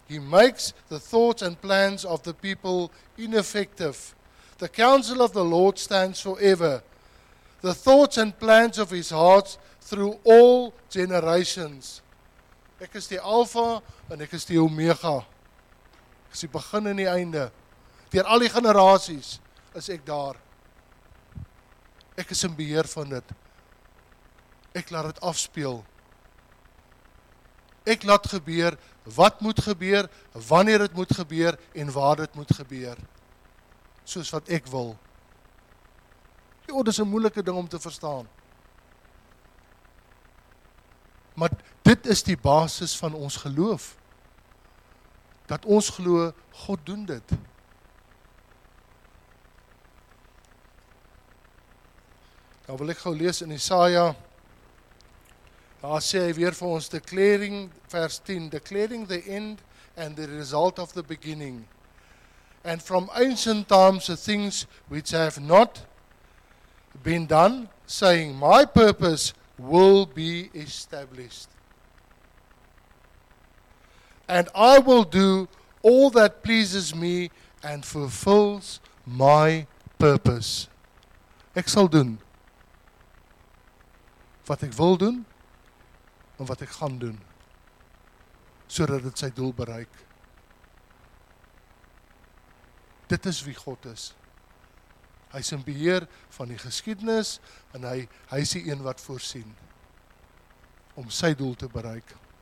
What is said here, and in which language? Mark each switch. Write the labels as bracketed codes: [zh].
[en] He makes the thoughts and plans of the people ineffective. The counsel of the Lord stands forever. The thoughts and plans of his heart through all generations. [af] Ek is die Alfa en ek is die Omega. Ek is die begin en die einde. Deur al die generasies is ek daar. Ek is in beheer van dit. Ek laat dit afspeel. Ek laat gebeur wat moet gebeur, wanneer dit moet gebeur en waar dit moet gebeur. Soos wat ek wil. Jo, dis 'n moeilike ding om te verstaan. Maar dit is die basis van ons geloof. Dat ons glo, God doen dit. Dan wil ek gou lees in Jesaja. Daar sê hy weer vir ons, declaring, vers 10, [en] declaring the end and the result of the beginning. And from ancient times, the things which have not been done, saying, my purpose will be established. And I will do all that pleases me and fulfills my purpose. [af] Ek sal doen wat ek wil doen en wat ek gaan doen, sodat dit sy doel bereik. Dit is wie God is. Hy is in beheer van die geskiedenis en hy is die een wat voorsien om sy doel te bereik.